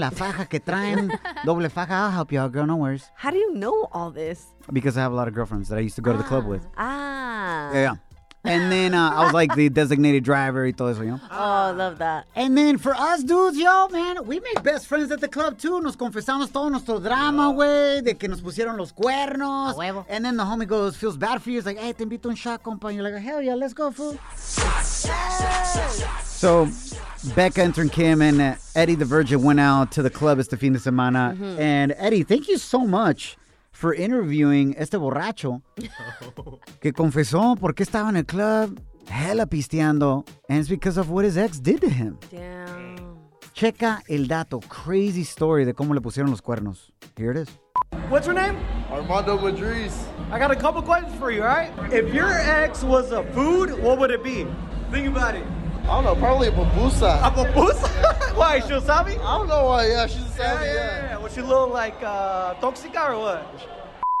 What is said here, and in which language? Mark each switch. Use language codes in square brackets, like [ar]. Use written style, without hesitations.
[es] La faja que traen. Doble faja. [en] I'll help you out, girl. No worries. How do you know all this? Because I have a lot of girlfriends that I used to go to the club with. Ah. Yeah. And then I was, like, the designated driver [es] y todo eso, [en] you know? Oh, I love that. And then for us dudes, yo, man, we made best friends at the club, too. [es] Nos confesamos todo nuestro drama, güey, de que nos pusieron los cuernos. A huevo. [en] And then the homie goes, feels bad for you. He's like, hey, [es] te invito un shot, compa. [en] And you're like, hell yeah, let's go, fool. So, Becca intern Kim and Eddie the Virgin went out to the club [es] este fin de semana. [en] Mm-hmm. And Eddie, thank you so much for interviewing [es] este borracho que confesó por qué estaba en el club [en] hella pisteando, and it's because of what his ex did to him. Damn. [es] Checa el dato, [en] crazy story [es] de cómo le pusieron los cuernos. [en] Here it is. What's your name? Armando Madriz. I got a couple questions for you, all right? If your ex was a food, what would it be? Think about it. I don't know, probably a babusa. A babusa? Why, she a savvy? I don't know why, yeah, she's a savvy, Was she a little, like, toxic or what?